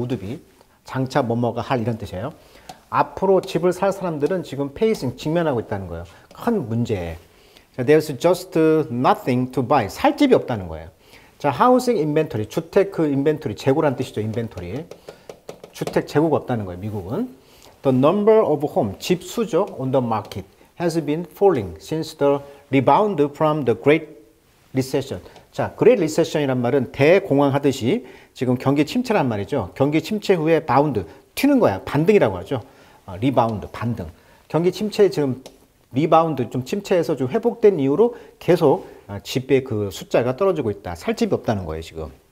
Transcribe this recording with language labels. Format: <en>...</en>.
<ko>would be, 장차 뭐뭐가 할, 이런 뜻이에요. 앞으로 집을 살 사람들은 지금 페이싱, 직면하고 있다는 거예요. 큰 문제예요.</ko> <en>There's just nothing to buy.</en> <ko>살 집이 없다는 거예요. 자, housing inventory, 주택 그 인벤토리, 재고란 뜻이죠. 인벤토리, 주택 재고가 없다는 거예요. 미국은.</ko> <en>The number of home,</en> <ko>집수죠,</ko> <en>on the market has been falling since the rebound from the Great Recession.</en> <ko>자, Great Recession이란 말은 대공황하듯이 지금 경기 침체란 말이죠. 경기 침체 후에 바운드, 튀는 거야. 반등이라고 하죠. 리바운드, 반등. 경기 침체, 지금 리바운드, 좀 침체에서 좀 회복된 이후로 계속 집의 그 숫자가 떨어지고 있다. 살 집이 없다는 거예요, 지금.</ko>